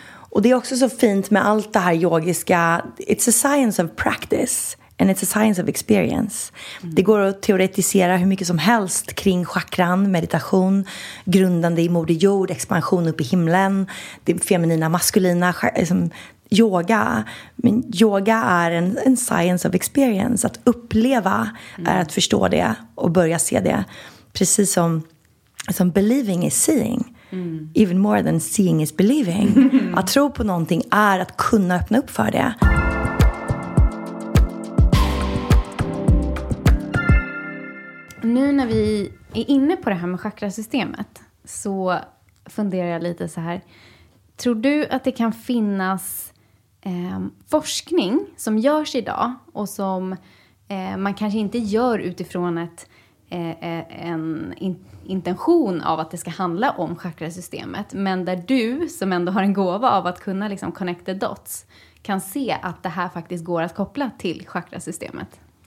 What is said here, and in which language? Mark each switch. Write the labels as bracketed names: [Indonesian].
[Swedish] Och det är också så fint med allt det här yogiska. [English] It's a science of practice. And it's a science of experience. [Swedish] Det går att teoretisera hur mycket som helst kring chakran, meditation, grundande i moder jord, expansion upp i himlen, det feminina, maskulina, liksom, yoga. Men yoga är en [English] science of experience. [Swedish] Att uppleva är att förstå det och börja se det. Precis som [English] believing is seeing. Even more than seeing is believing. [Swedish] Att tro på någonting är att kunna öppna upp för det. Nu när vi är inne på det här med chakrasystemet så funderar jag lite så här. Tror du att det kan finnas forskning som görs idag och som man kanske inte gör utifrån en intention av att det ska handla om chakrasystemet, men där du som ändå har en gåva av att kunna liksom [English] connect the dots [Swedish] kan se att det här faktiskt går att koppla till chakrasystemet?